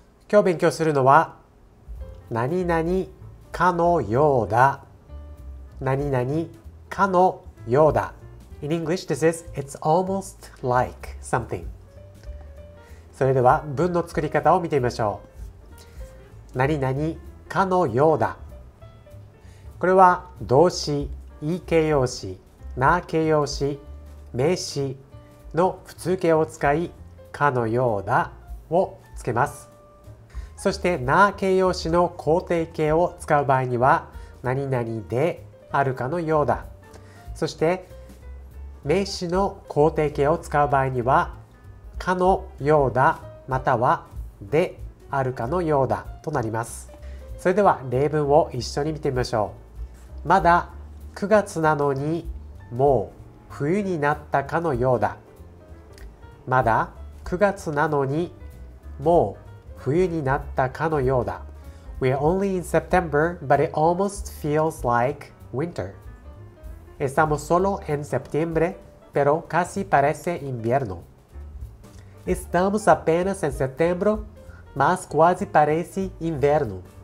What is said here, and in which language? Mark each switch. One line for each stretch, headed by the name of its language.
Japanese: 今日勉強するのは、何々かのようだ。何々かのようだ。
English: In English, this is, it's almost like something.
Japanese: それでは文の作り方を見てみましょう。何々かのようだ。これは動詞、いい形容詞、な形容詞、名詞の普通形を使い、かのようだをつけます。そしてな形容詞の肯定形を使う場合には、何々であるかのようだ。そして名詞の肯定形を使う場合には、かのようだまたはであるかのようだとなります。それでは例文を一緒に見てみましょう。まだ9月なのにもう冬になったかのようだ。まだ9月なのにもう冬になったかのようだ。
English: We're only in September, but it almost feels like winter.
Spanish: Estamos solo en septiembre, pero casi parece invierno.
Portuguese: Estamos apenas en septiembre, mas quasi parece inverno.